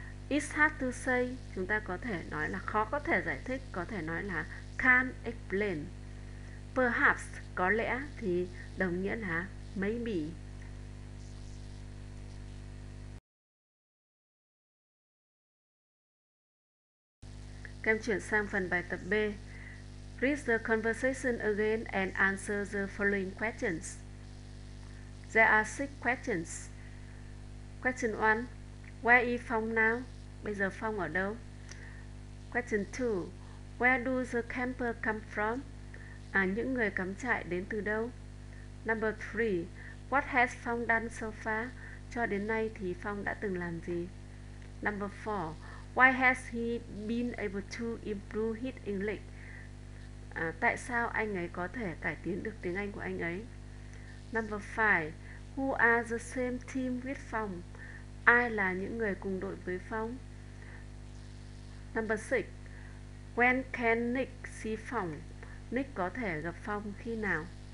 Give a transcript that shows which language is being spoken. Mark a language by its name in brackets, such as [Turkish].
[English] It's hard to say, [Vietnamese] chúng ta có thể nói là khó có thể giải thích, có thể nói là [English] can't explain. [Vietnamese] Perhaps có lẽ thì đồng nghĩa là maybe. Kem chuyển sang phần bài tập B. [English] Read the conversation again and answer the following questions. There are six questions. Question 1. Where is Phong now? [Vietnamese] Bây giờ Phong ở đâu? [English] Question 2. Where do the camper come from? [Vietnamese] À, những người cắm trại đến từ đâu? [English] Number 3. What has Phong done so far? [Vietnamese] Cho đến nay thì Phong đã từng làm gì? [English] Number 4. Why has he been able to improve his English? [Vietnamese] À, tại sao anh ấy có thể cải tiến được tiếng Anh của anh ấy? [English] Number 5. Who are the same team with Phong? [Vietnamese] Ai là những người cùng đội với Phong? [English] Number 6. When can Nick see Phong? [Vietnamese] Nick có thể gặp Phong khi nào?